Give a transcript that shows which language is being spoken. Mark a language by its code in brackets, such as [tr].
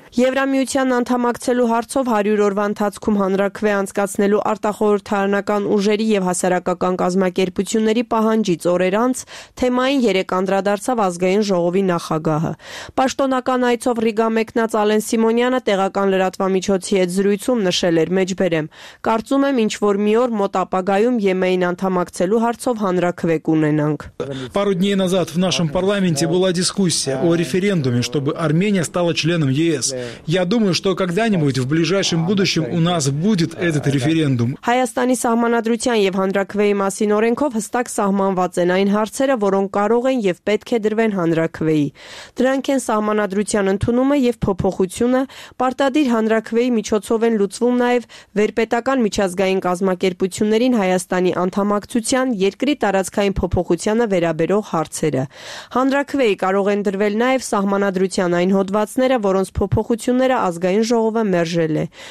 [hy] Եվրամիության անդամակցելու հարցով 100 օրվա ընթացքում հանրակրթվե անցկացնելու արտախորհրդարանական ուժերի և հասարակական կազմակերպությունների պահանջից օրեր անց թեմային երեկ անդրադարձավ ազգային ժողովի նախագահը։ Պաշտոնական այցով Ռիգա մեկնած Ալեն Սիմոնյանը տեղական լրատվամիջոցի հետ զրույցում նշել էր, մեջբերեմ, կարծում եմ, ինչ որ մի օր մոտ ապագայում ԵՄ-ին անդամակցելու հարցով հանրակրթվե կունենանք։ [ru] Пару дней назад в нашем парламенте была дискуссия о референдуме, чтобы Армения стала членом ЕС. Я думаю, что когда-нибудь в ближайшем будущем у нас будет этот референдум. [hy] Հայաստանի սահմանադրության եւ հանրակրթվեի մասին օրենքով հստակ սահմանված են այն հարցերը, որոնք կարող են եւ պետք է դրվեն հանրակրթվեի։ Դրանք են սահմանադրության ընդունումը եւ փոփոխությունը, պարտադիր հանրակրթվեի միջոցով են լուծվում նաեւ վերպետական միջազգային կազմակերպություններին Հայաստանի անդամակցության երկրի տարածքային փոփոխությանը վերաբերող հարցերը։ Հանրակրթվեի կարող են դրվել նաեւ սահմանադրության այն հոդվածները, որոնց փոփոխությունները ազգային ժողովը մերժել է,